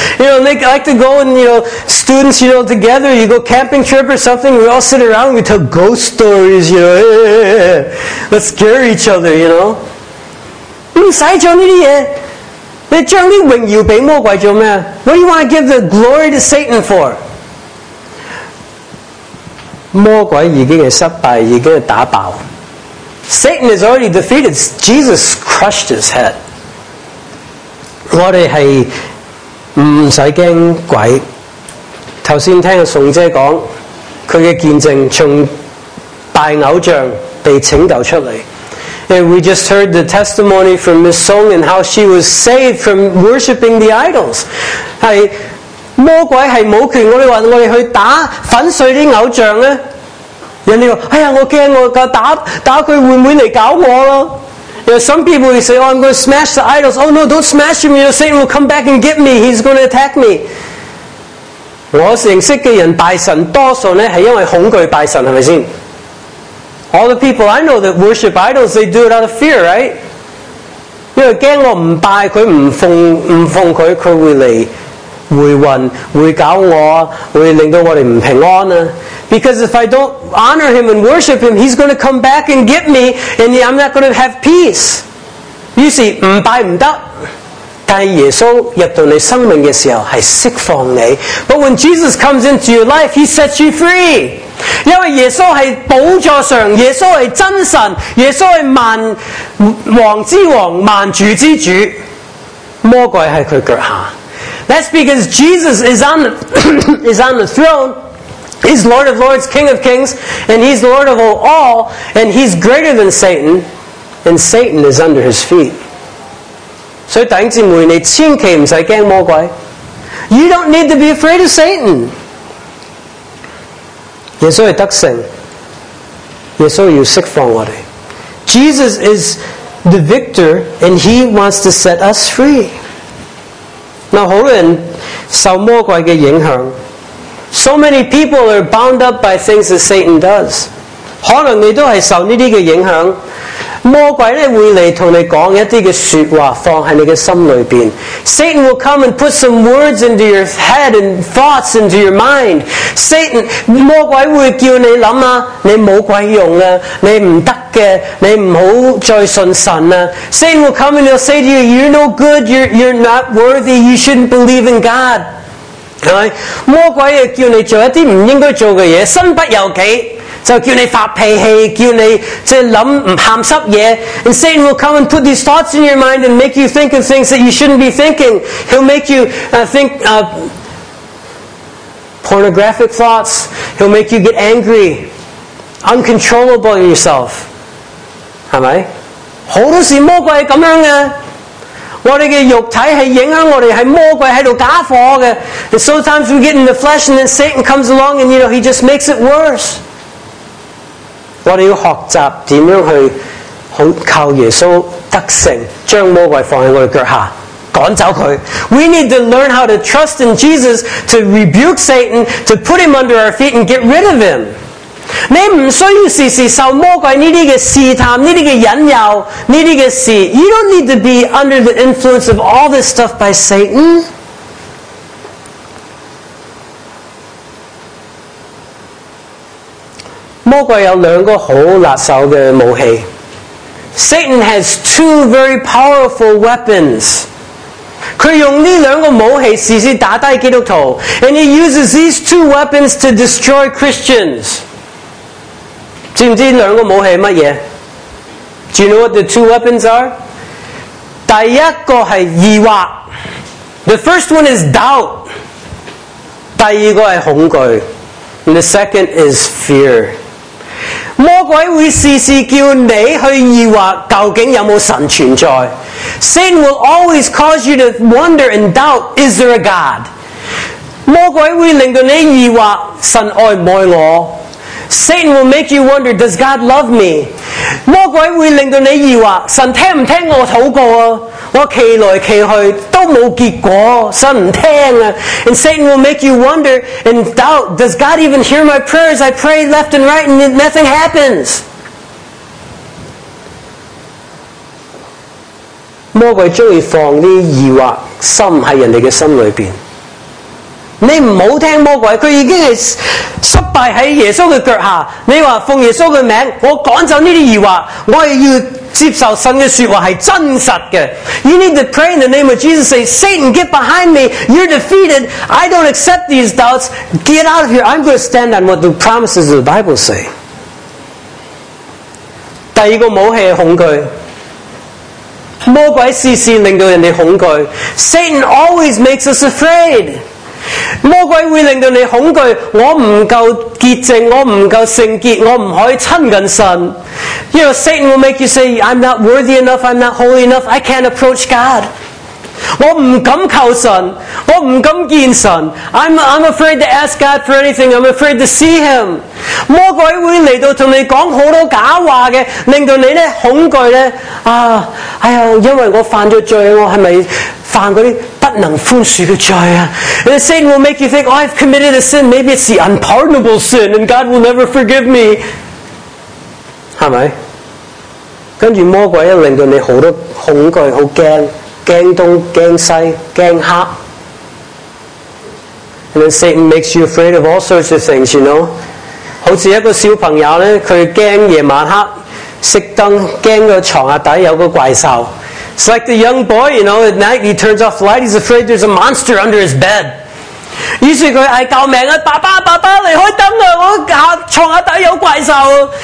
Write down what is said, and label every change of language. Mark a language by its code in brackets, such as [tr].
[en] You know, they like to go and, you know, students, you know, together, you go camping trip or something, we all sit around, we tell ghost stories, you know, let's scare each other, you know. [yue] 不用做这些东西，你将这荣耀给魔鬼做什么？ [en] What do you want to give the glory to Satan for? [yue] 魔鬼已经是失败，已经是打爆。 [en] Satan is already defeated. Jesus crushed his head. [yue] 我们是不用怕鬼。刚才听宋姐说，她的见证从拜偶像被拯救出来。 [en] And we just heard the testimony from Ms. Song and how she was saved from worshipping the idols. [yue] 是魔鬼是没权，我们说我们去打粉碎的偶像呢，人家说哎呀我怕我打他会不会来搞我咯。 [en] You know, some people say, oh, I'm going to smash the idols. Oh no, don't smash him. You know, Satan will come back and get me. He's going to attack me. [yue] 我认识的人拜神多数呢是因为恐惧拜神，是不是？ [en] All the people I know that worship idols, they do it out of fear, right? [yue] 因为怕我不拜他，不奉他，他会来回魂，会搞我，会令到我们不平安啊。 [en] Because if I don't honor him and worship him, he's going to come back and get me, and I'm not going to have peace. You see, [yue] 不拜不得。但耶稣入到你生命的时候是释放你。 [en] But when Jesus comes into your life, he sets you free. [yue] 因为耶稣是宝座上，耶稣是真神，耶稣是万王之王，万主之主，魔鬼是他脚下。 [en] That's because Jesus is on the, is on the throne. He's Lord of Lords, King of Kings, and he's Lord of all, and he's greater than Satan, and Satan is under his feet. [yue] 所以弟兄姊妹，你千祈不用怕魔鬼。 [en] You don't need to be afraid of Satan. [yue] 耶稣是得胜，耶稣要释放我们。 [en] Jesus is the victor, and he wants to set us free. [yue] 那好多人受魔鬼的影响。 [en] So many people are bound up by things that Satan does. [yue] 可能你都是受这些影响。魔鬼会来跟你讲一些说话放在你的心里面。 [en] Satan will come and put some words into your head and thoughts into your mind. [yue] Satan, 魔鬼会叫你想啊，你没鬼用啊，你不得的，你不要再信神啊。 [en] Satan will come and he'll say to you, you're no good, you're not worthy, you shouldn't believe in God. Right? [yue] 魔鬼会叫你做一些不应该做的事，身不由己。就叫你发脾气，叫你即系谂唔咸湿嘢。 [en] And Satan will come and put these thoughts in your mind and make you think of things that you shouldn't be thinking. He'll make you think pornographic thoughts. He'll make you get angry, uncontrollable in yourself. [yue] 系咪？好多时魔鬼系咁样嘅。我们的肉体是影响我们，是魔鬼在加火的。 [en] And sometimes we get in the flesh and then Satan comes along and you know, he just makes it worse. [yue] 我们要学习怎样去靠耶稣得胜，将魔鬼放在我们脚下，赶走他。 [en] We need to learn how to trust in Jesus to rebuke Satan, to put him under our feet and get rid of him. [yue] 你不需要时时受魔鬼这些试探，这些引诱，这些事。 [en] You don't need to be under the influence of all this stuff by Satan. [yue] 魔鬼有两个很辣手的武器。 [en] Satan has two very powerful weapons. [yue] 他用这两个武器时时打低基督徒。 [en] And he uses these two weapons to destroy Christians. [yue] 知唔知两个武器系乜嘢 [en] ？Do you know what the two weapons are？ [yue] 第一个系疑惑 [en] ，the first one is doubt。 [yue] 第二个系恐惧 [en] ，and the second is fear。 [yue] 魔鬼会时时叫你去疑惑究竟有冇神存在 [en] ？Satan will always cause you to wonder and doubt: Is there a God？ [yue] 魔鬼会令到你疑惑神爱唔爱我？ [en] Satan will make you wonder, does God love me? [yue] 魔鬼会令到你疑惑，神听唔听我祷告啊？我祈来祈去都冇结果，神唔听啊。 [en] And Satan will make you wonder and doubt, does God even hear my prayers? I pray left and right and nothing happens. [yue] 魔鬼喜欢放啲疑惑心喺人哋嘅心里边。你唔好听魔鬼，佢已经系失败喺耶稣嘅脚下。你话奉耶稣嘅名，我赶走呢啲疑惑，我系要接受神嘅说话系真实嘅。 [en] You need to pray in the name of Jesus. Say, Satan, get behind me. You're defeated. I don't accept these doubts. Get out of here. I'm going to stand on what the promises of the Bible say. [yue] 第二个武器系恐惧。魔鬼时时令到人哋恐惧。 [en] Satan always makes us afraid. [yue] 魔鬼会令到你恐惧，我不够洁净，我不够圣洁，我不可以亲近神。 [en] You know, Satan will make you say, I'm not worthy enough, I'm not holy enough, I can't approach God. [yue] 我不敢求神，我不敢见神。 [en] I'm afraid to ask God for anything, I'm afraid to see Him. [yue] 魔鬼会来到跟你讲很多假话的，令到你呢恐惧呢，啊，哎呀，因为我犯了罪，我是不是犯那些不能宽恕的罪啊。 [en] And Satan will make you think, oh, I've committed a sin, maybe it's the unpardonable sin, and God will never forgive me. [yue] 是不是？跟着魔鬼一令到你很多恐惧，很惊，惊东，惊西，惊黑。 [en] And then Satan makes you afraid of all sorts of things, you know? [yue] 好像一个小朋友呢，他惊夜晚黑熄灯，惊个床底有个怪兽。 [en] It's like the young boy, you know, at night he turns off the light, he's afraid there's a monster under his bed. [yue] 於是他是救命啊，爸爸爸爸離開燈啊，我床底有怪獸啊。